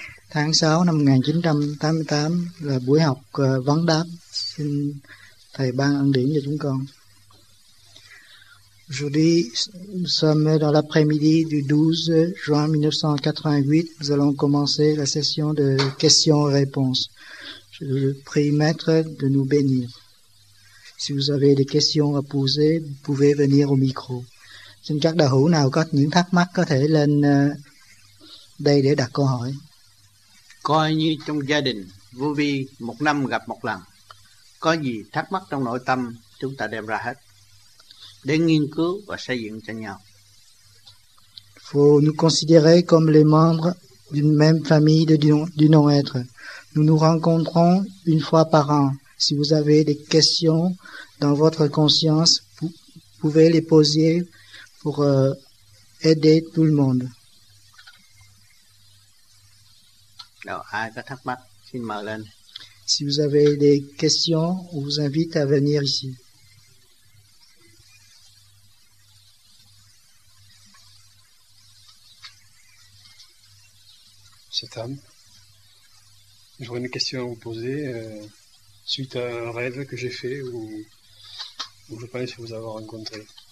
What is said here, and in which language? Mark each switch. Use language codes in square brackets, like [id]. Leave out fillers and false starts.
[vi] Tháng 6 năm 1988 là buổi học vấn đáp. Xin Thầy ban ân điển cho chúng con. [fr] Jeudi, nous sommes dans l'après-midi du 12 juin 1988. Nous allons commencer la session de questions-réponses. Je prie Maître de nous bénir. Si vous avez des questions à poser, vous pouvez venir au micro. [vi] Xin các đạo hữu nào có những thắc mắc có thể lên đây để đặt câu hỏi. Coi như trong gia đình, vô vi một năm gặp một lần. Có gì thắc mắc trong nội tâm, chúng ta đem ra hết. Để nghiên cứu và xây dựng cho nhau. [fr] Faut nous considérer comme les membres d'une même famille du non-être. Nous nous rencontrons une fois par an. Si vous avez des questions dans votre conscience, vous pouvez les poser pour aider tout le monde. [vi] Alors, ai có thắc mắc, xin mời lên. [fr] Si vous avez des questions, on vous invite à venir ici. Cette âme, j'aurais une question à vous poser suite à un rêve que j'ai fait où je pensais vous avoir rencontré.